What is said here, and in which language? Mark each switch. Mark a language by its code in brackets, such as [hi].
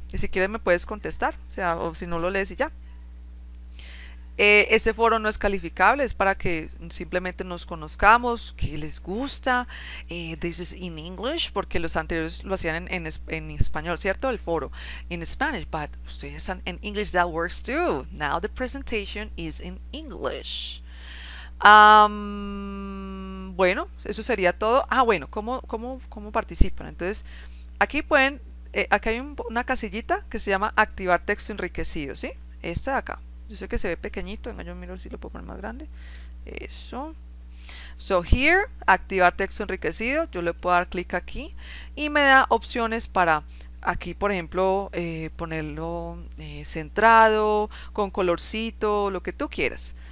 [es] Y si quieres, me puedes contestar. O sea, o si no lo lees y ya. Ese foro no es calificable, es para que simplemente nos conozcamos, qué les gusta, [en] this is in English, [es] porque los anteriores lo hacían en español, ¿cierto? El foro [en] in Spanish, but [es] ustedes están en [en] English, that works too. Now the presentation is in English. [es] Bueno, eso sería todo. Ah, bueno, ¿cómo participan? Entonces, aquí hay una casillita que se llama Activar texto enriquecido, ¿sí? Esta de acá. Yo sé que se ve pequeñito, venga, yo miro si lo puedo poner más grande. Eso. [en] So here, [es] activar texto enriquecido. Yo le puedo dar clic aquí y me da opciones para aquí, por ejemplo, ponerlo centrado, con colorcito, lo que tú quieras.